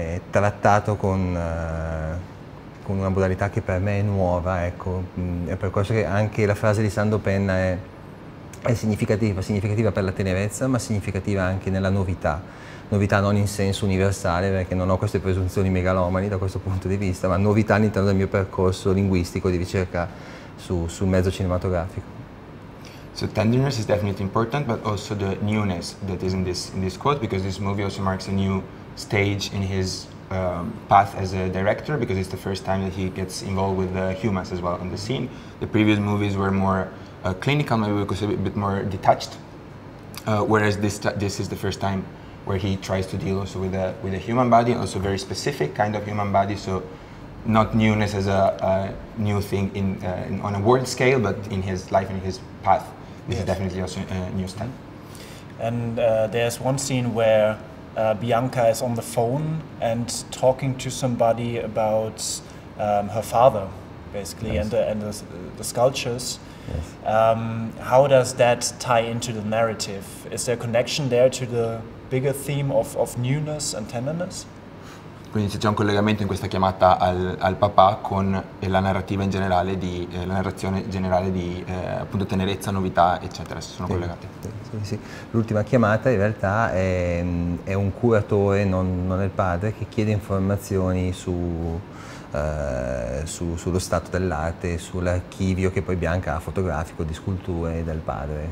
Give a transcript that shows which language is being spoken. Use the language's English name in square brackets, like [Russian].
[Italian] trattato con una modalità che per me è nuova, ecco, è per questo che anche la frase di Sandro Penna è significativa per la tenerezza, ma significativa anche nella novità. Novità non in senso universale, perché non ho queste presunzioni megalomani da questo punto di vista, ma novità all'interno del mio percorso linguistico di ricerca su mezzo cinematografico. [English] So tenderness is definitely important, but also the newness that is in this quote, because this movie also marks a new stage in his path as a director, because it's the first time that he gets involved with humans as well on the scene. The previous movies were more clinical, maybe we could say a bit more detached, whereas this is the first time where he tries to deal also with a human body, also very specific kind of human body, so not newness as a new thing in on a world scale, but in his life, in his path, this yes. is definitely also a new step. And there's one scene where Bianca is on the phone and talking to somebody about her father, basically, yes. and the sculptures. Yes. How does that tie into the narrative? Is there a connection there to the bigger theme of newness and tenderness? [Italian] Quindi c'è già un collegamento in questa chiamata al papà con la narrativa in generale di la narrazione generale di appunto tenerezza, novità, eccetera. Si sono collegati. Sì. L'ultima chiamata in realtà è un curatore, non è il padre, che chiede informazioni sullo stato dell'arte, sull'archivio che poi Bianca ha fotografico di sculture del padre.